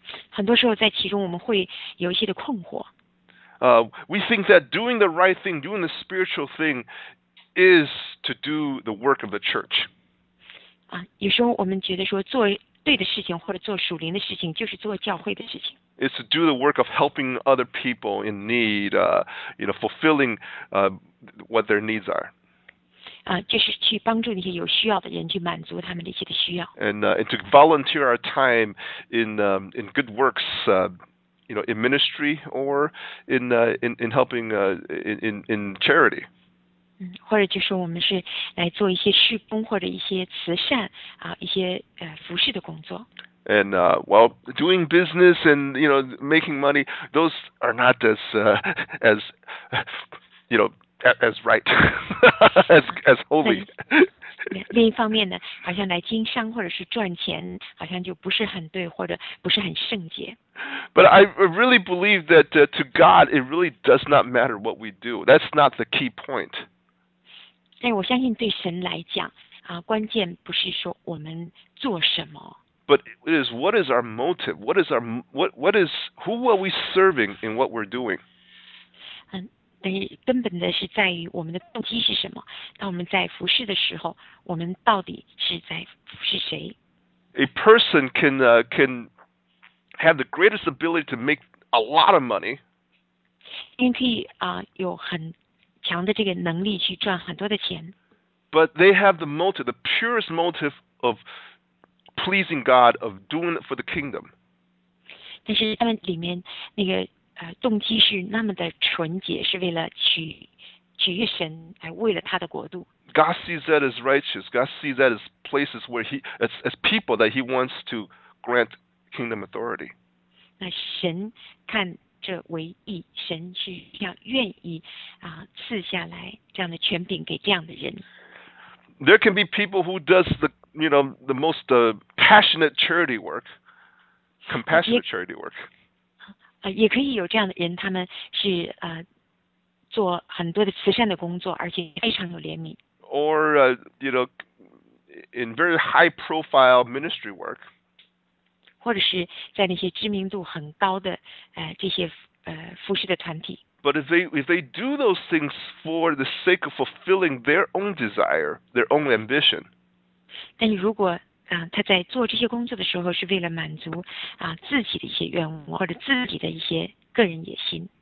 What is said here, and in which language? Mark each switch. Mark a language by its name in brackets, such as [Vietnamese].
[Chinese] 很多时候在其中我们会有一些的困惑。 [English] We think that doing the right thing, doing the spiritual thing, is to do the work of the church. [Chinese] 有时候我们觉得说做对的事情或者做属灵的事情就是做教会的事情。 [English] It's to do the work of helping other people in need, you know, fulfilling what their needs are. [Chinese] 就是去帮助那些有需要的人，去满足他们的一些的需要。 [English] And to volunteer our time in good works, you know, in ministry or in helping in charity. [Chinese] 或者就是我们是来做一些事工或者一些慈善一些服事的工作。 [English] And well, doing business and you know making money, those are not as you know. As right, as holy. [Chinese] 另一方面呢，好像来经商或者是赚钱，好像就不是很对，或者不是很圣洁。 [English] But I really believe that to God, it really does not matter what we do. That's not the key point. [Chinese] 但我相信对神来讲，关键不是说我们做什么。 [English] But it is what is our motive? What is our what is who are we serving in what we're doing? [Chinese] 但是根本的是在于我们的动机是什么。当我们在服侍的时候，我们到底是在服侍谁 [English] ？A person can have the greatest ability to make a lot of money. [Chinese] 人可以有很强的这个能力去赚很多的钱。 [English] But they have the motive, the purest motive of pleasing God, of doing it for the kingdom. [Chinese] 但是他们里面那个。动机是那么的纯洁，是为了取悦神，来为了他的国度。 [English] God sees that as righteous. God sees that as places where he as people that he wants to grant kingdom authority. [Chinese] 那神看这为义，神是要愿意赐下来这样的权柄给这样的人。 [English] There can be people who does the you know the most passionate charity work. compassionate charity work. [Chinese] 也可以有这样的人，他们是做很多的慈善的工作，而且非常有怜悯。 [English] Or you know, in very high-profile ministry work. [Chinese] 或者是在那些知名度很高的这些服事的团体。 [English] But if they do those things for the sake of fulfilling their own desire, their own ambition. [Chinese] 但是如果他在做这些工作的时候是为了满足自己的一些愿望或者自己的一些个人野心。